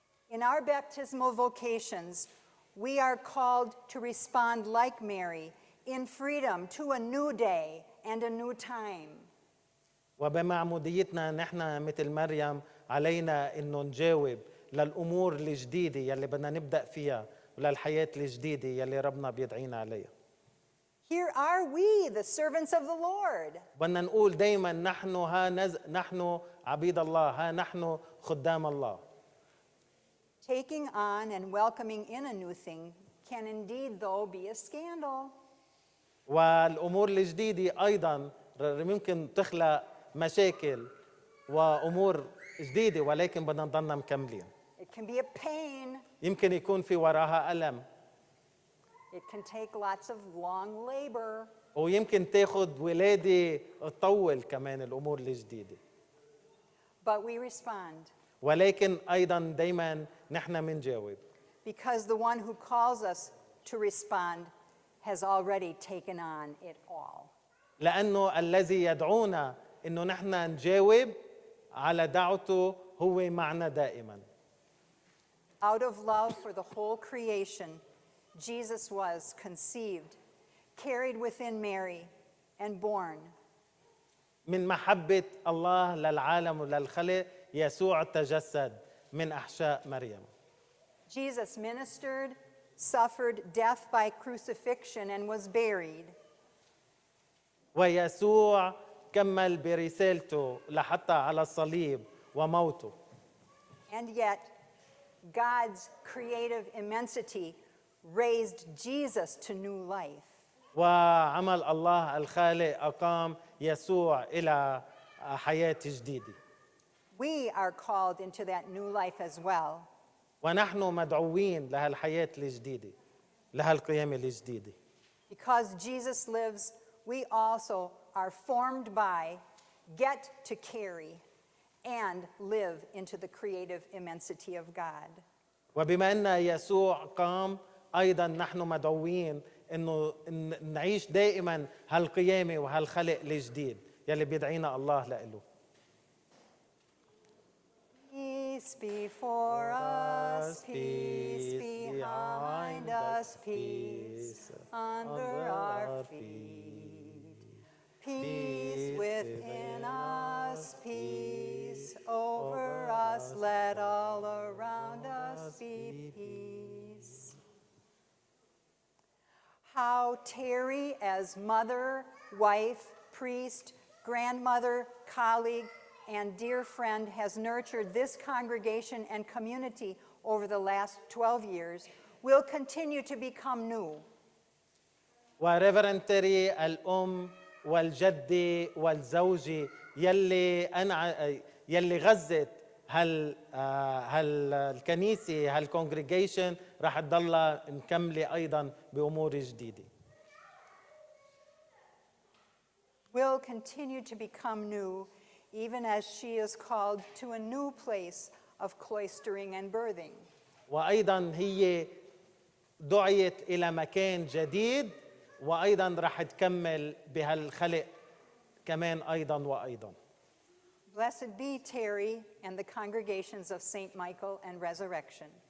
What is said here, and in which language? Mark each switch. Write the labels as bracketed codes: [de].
[en] In our baptismal vocations, we are called to respond like Mary in freedom to a new day and a new time. [ar] وبمعموديتنا نحن مثل مريم علينا إنه نجاوب للأمور الجديدة يلي بدنا نبدأ فيها وللحياة الجديدة يلي ربنا بيدعينا عليها. [en] Here are we, the servants of the Lord. [ar] بدنا نقول دائما نحن عبيد الله ها نحن خدام الله. [en] Taking on and welcoming in a new thing can indeed, though, be a scandal. [ar] والأمور الجديدة أيضاً ممكن تخلق مشاكل وأمور جديدة ولكن بدنا نضلنا مكملين. [en] It can be a pain. [ar] يمكن يكون في وراها ألم. [en] It can take lots of long labor. [ar] ويمكن تاخد ولادة تطول كمان الأمور الجديدة. [en] But we respond. [ar] ولكن أيضاً دائماً نحن منجاوب. [en] Because the one who calls us to respond has already taken on it all. [ar] لأنه الذي يدعونا إنه نحن نجاوب على دعوته هو معنا دائماً. [en] Out of love for the whole creation, Jesus was conceived, carried within Mary, and born. [ar] من محبة الله للعالم وللخلق يسوع تجسد من أحشاء مريم. [en] Jesus ministered, suffered death by crucifixion, and was buried. [ar] ويسوع كمل برسالته لحتى على الصليب وموته. [en] And yet, God's creative immensity raised Jesus to new life. [ar] وعمل الله الخالق أقام يسوع إلى حياة جديدة. [en] We are called into that new life as well. [ar] ونحن مدعوين لهالحياة الجديدة، لهالقيامة الجديدة. [en] Because Jesus lives, we also are formed by, get to carry, and live into the creative immensity of God. [ar] وبما أن يسوع قام، أيضا نحن مدعوين إنه نعيش دائما هالقيامة وهالخلق الجديد يلي بيدعينا الله لإله. [en] Peace before us, peace behind us, peace under our feet. Peace within us, peace over us, let all around us be peace. Terri as mother, wife, priest, grandmother, colleague, and dear friend has nurtured this congregation and community over the last 12 years will continue to become new. [ar] وريفرنت تيري الأم والجدي والزوجي يلي أنا يلي غزت هال هالكنيسة هالكونغريجيشن راح تضل مكملة أيضا بأمور جديدة. [en] Will continue to become new even as she is called to a new place of cloistering and birthing. [ar] وأيضا هي دعيت إلى مكان جديد وأيضا راح تكمل بهالخلق كمان أيضا وأيضا. [en] Blessed be Terri and the congregations of Saint Michael and Resurrection.